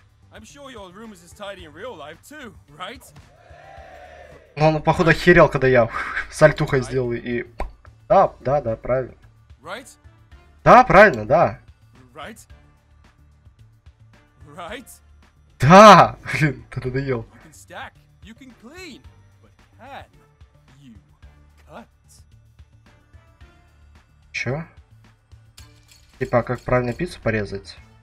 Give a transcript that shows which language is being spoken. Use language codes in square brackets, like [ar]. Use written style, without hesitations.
[en] I'm sure your room is as tidy in real life too, right? [ru] Ну, он, походу, охерел, когда я сальтухой [en] right? [ru] сделал и... Да, да, да, правильно. [en] Right? [ru] Да, правильно, да. [en] Right? Right? [ru] Да! Блин, ты надоел. [en] You can stack, you can clean, but can you cut? [ru] Чё? Типа, как правильно пиццу порезать?